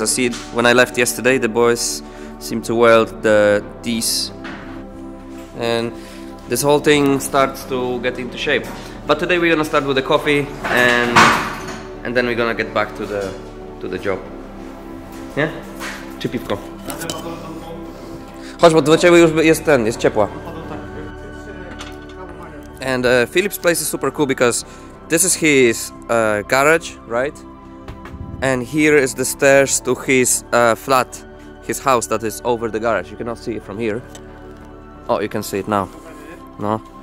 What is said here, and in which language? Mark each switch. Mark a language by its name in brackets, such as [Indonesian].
[English] I see when I left yesterday, the boys seem to weld the T's. And this whole thing starts to get into shape. But today we're gonna start with the coffee and then we're gonna get back to the job. [Polish] Yeah? Czy piwko? Chodź, bo do ciebie już jest ten, jest ciepła. [English] And Philip's place is super cool because this is his garage, right? And here is the stairs to his flat, his house that is over the garage. You cannot see it from here. Oh, you can see it now. No.